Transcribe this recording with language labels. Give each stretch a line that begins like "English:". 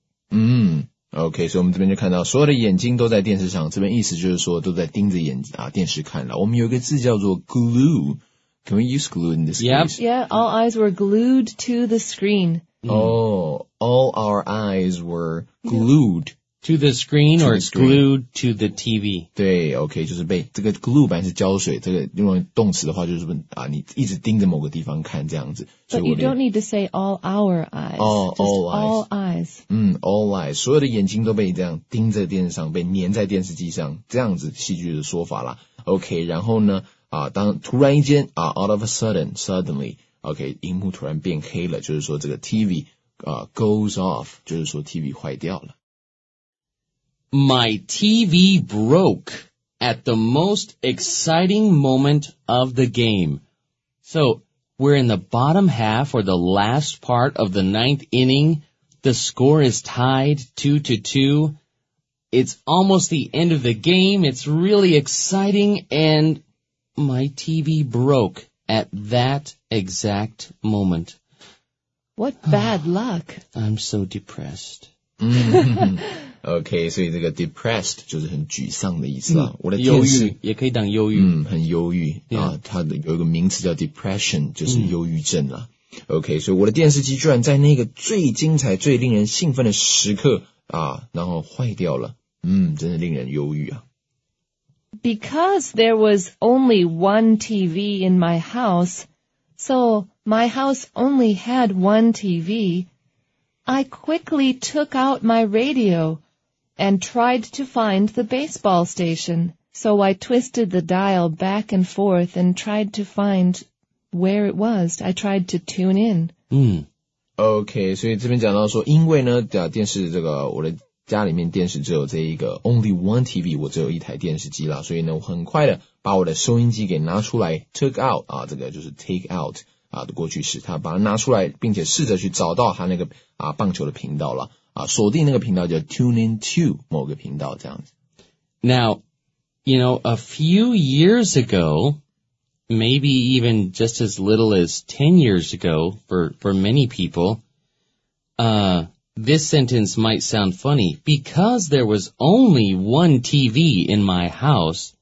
Chinese: 嗯 ，OK， 所以我们这边就看到所有的眼睛都在电视上。这边意思就是说都在盯着眼啊电视看了。我们有一个字叫做 glue，
English: can we use glue in this yep. case？ Yeah， all eyes were glued to the screen. Oh， all our eyes were glued to the screen or glued to the TV。
Chinese: 对 ，OK， 就是被这个 glue 本来是胶水，这个用来动词的话就是啊你一直盯着某个地方看这样子。
English: But you don't need to say all our eyes. Oh, just all eyes. All eyes. 嗯 ，all eyes.
Chinese: 所有的眼睛都被这样盯在电视上，被粘在电视机上，这样子戏剧的说法啦。 OK， 然后呢，啊，当突然一间啊 ，
English: out of a sudden, suddenly,
Chinese: OK， 荧幕突然变黑了，就是说这个 TV 啊
English: goes off，
Chinese: 就是说 TV 坏掉了。
English: My TV broke at the most exciting moment of the game. So. We're in the bottom half or the last part of the ninth inning. The score is tied 2-2. It's almost the end of the game. It's really exciting. And my TV broke at that exact moment. What bad luck. I'm so depressed.
Chinese: Okay, 所以这个 depressed 就是很沮丧的意思啦。嗯、我的忧郁也可以当忧郁。嗯，很忧郁、yeah. 啊，它的有一个名词叫 depression， 就是忧郁症啦、嗯。 Okay, 所以我的电视机居然在那个最精彩、最令人兴奋的时刻啊，然后坏掉了。嗯，真的令人忧郁啊。
English: Because there was only one TV in my house, so my house only had one TV. I quickly took out my radio and tried to find the baseball station. So I twisted the dial back and forth and tried to find where it was. I tried to tune in.
Chinese: Okay, 所以这边讲到说因为呢电视这个我的家里面电视只有这一个
English: only one TV,
Chinese: 我只有一台电视机啦。所以呢我很快的把我的收音机给拿出来
English: took out,
Chinese: 啊这个就是 take out。啊的过去式他把它拿出来并且试着去找到他那个啊棒球的频道了啊锁定那个频道叫 tune in to 某个频道这样子。
English: Now, you know, a few years ago, maybe even just as little as 10 years ago for many people, this sentence might sound funny because there was only one TV in my house.、